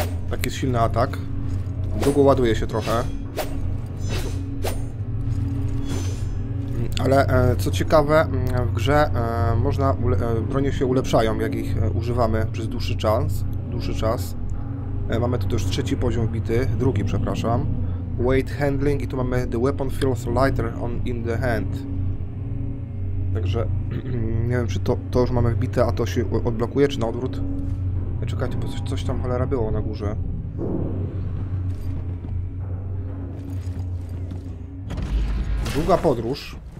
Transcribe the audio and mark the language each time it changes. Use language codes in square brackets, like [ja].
[pl] Tak jest silny atak. Długo ładuje się trochę. Ale co ciekawe, w grze można bronie się ulepszają, jak ich używamy przez dłuższy czas. Mamy tu też trzeci poziom wbity, drugi przepraszam. [en] Weight handling [pl] i tu mamy [en] the weapon feels lighter on in the hand. [pl] Także nie wiem, czy to już mamy wbite, a to się odblokuje, czy na odwrót. Czekajcie, bo coś tam cholera było na górze. Długa podróż.